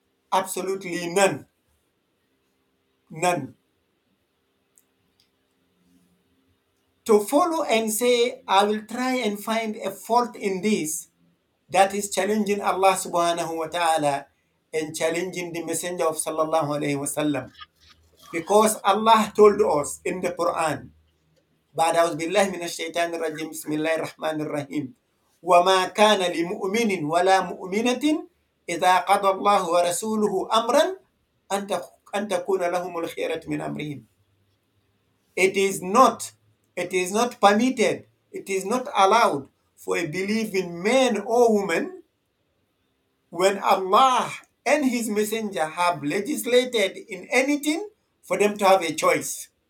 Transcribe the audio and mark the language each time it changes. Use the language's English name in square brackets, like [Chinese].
[English] Absolutely none. None. To follow and say, I will try and find a fault in this, that is challenging Allah subhanahu wa ta'ala and challenging the Messenger of sallallahu alayhi wa sallam. Because Allah told us in the Quran, [Arabic] بعد أعوذ بالله من الشيطان الرجيم بسم الله الرحمن الرحيم وما كان لمؤمن ولا مؤمنة إذا قضى الله ورسوله أمرا أن تكون لهم الخيرة من أمرهم. [English] It is not permitted, it is not allowed for a believing man or woman, when Allah and His Messenger have legislated in anything, for them to have a choice.